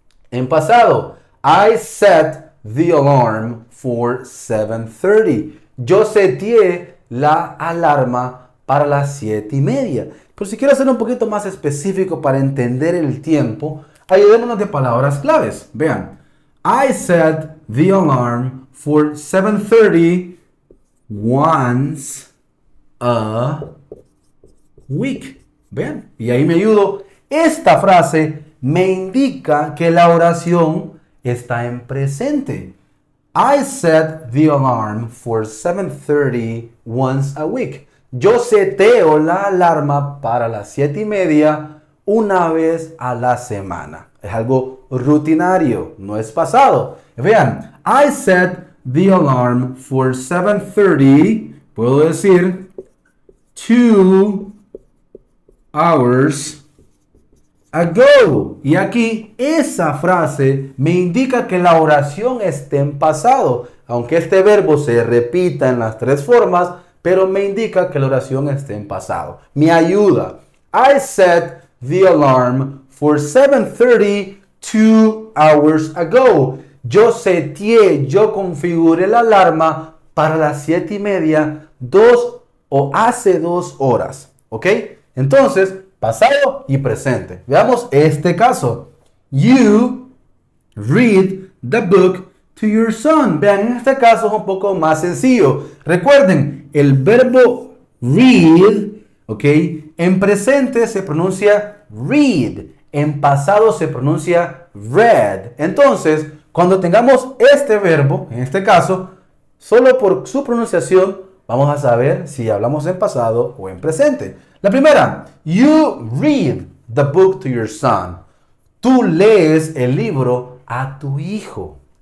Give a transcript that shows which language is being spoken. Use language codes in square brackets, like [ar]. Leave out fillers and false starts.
[es] En pasado, [en] I set the alarm for 7:30. [es] Yo seteé la alarma para las 7:30. Pero si quiero ser un poquito más específico para entender el tiempo, ayudémonos de palabras claves. Vean. [en] I set the alarm for 7:30 once a week. [es] Vean. Y ahí me ayudo. Esta frase me indica que la oración está en presente. [en] I set the alarm for 7:30 once a week. [es] Yo seteo la alarma para las 7:30 una vez a la semana. Es algo rutinario, no es pasado. [en] Vean, I set the alarm for 7:30, [es] puedo decir, [en] 2 hours ago. [es] Y aquí, esa frase me indica que la oración esté en pasado. Aunque este verbo se repita en las tres formas, pero me indica que la oración esté en pasado. Me ayuda. [en] I set the alarm for 7:30 2 hours ago. [es] Yo seteé, yo configuré la alarma para las 7:30, hace 2 horas. ¿Ok? Entonces, pasado y presente. Veamos este caso. [en] You read the book to your son. [es] Vean, en este caso es un poco más sencillo. Recuerden, el verbo read, ¿ok? En presente se pronuncia read. En pasado se pronuncia read. Entonces, cuando tengamos este verbo, en este caso, solo por su pronunciación, vamos a saber si hablamos en pasado o en presente. La primera, [en] you read the book to your son. [es] Tú lees el libro a tu hijo.